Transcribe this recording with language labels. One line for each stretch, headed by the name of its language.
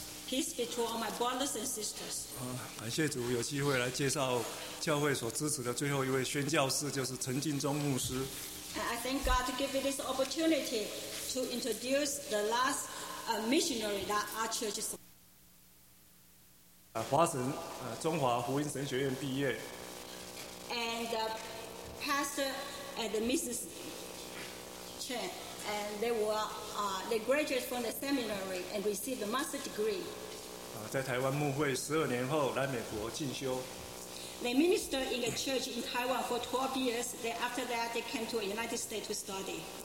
English: Peace be to all my brothers and sisters.
Chinese: 感谢主有机会来介绍教会所支持的最后一位宣教士，就是陈进忠牧师。
English: I thank God to give me this opportunity to introduce the last missionary that our church supports.
Chinese: 华神中华福音神学院毕业。
English: And the pastor and the Mrs. Chen. And they graduated from the seminary and received a master's degree.
Chinese: 在台湾牧会12年后来美国进修。
English: They ministered in a church in Taiwan for 12 years. Then after that, they came to the United States to study.